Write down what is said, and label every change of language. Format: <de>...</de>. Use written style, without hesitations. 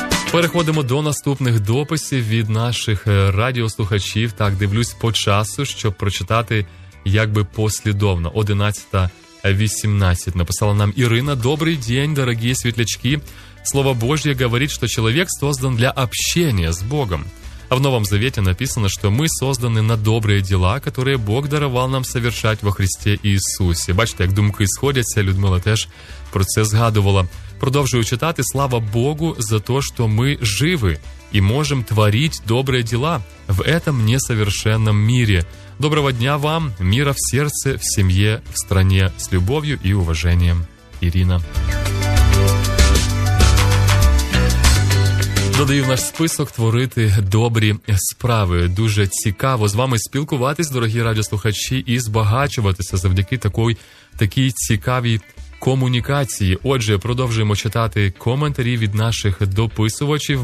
<uk>Переходимо до наступних дописів від наших радіослухачів. Так, дивлюсь по часу, щоб прочитати якби послідовно. 11:18 написала нам Ірина. Добрий день, дорогі світлячки.</uk> <ru>Слово Божье говорит, что человек создан для общения с Богом. А в Новом Завете написано, что мы созданы на добрые дела, которые Бог даровал нам совершать во Христе Иисусе.</ru> <uk>Бачите, як думки сходяться, Людмила теж про це згадувала. Продовжую читати.</uk> <ru>Слава Богу за то, что мы живы и можем творить добрые дела в этом несовершенном мире. Доброго дня вам, мира в сердце, в семье, в стране. С любовью и уважением, Ирина.</ru> <uk>Додаю в наш список творити добрі справи. Дуже цікаво з вами спілкуватись, дорогі радіослухачі, і збагачуватися завдяки такій цікавій комунікації. Отже, продовжуємо читати коментарі від наших дописувачів.</uk>